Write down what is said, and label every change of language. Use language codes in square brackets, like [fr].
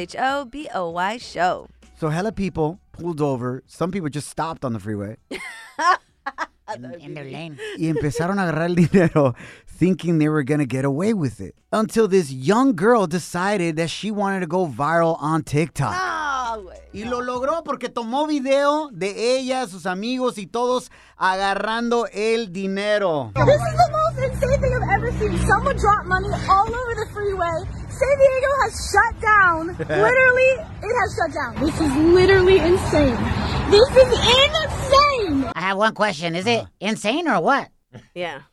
[en] Shaboy Show. So hella people pulled over. Some people just stopped on the freeway. In their lane. [es] Y empezaron a agarrar el dinero, [en] thinking they were going to get away with it. Until this young girl decided that she wanted to go viral on TikTok. [es] No, wey, y lo logró porque tomó video de ella, sus amigos y todos agarrando el dinero. [en] This is the most insane thing I've ever seen. Someone dropped money all over the freeway. San Diego has shut down. Literally, it has shut down. This is literally insane. This is insane. I have one question. Is it insane or what? Yeah.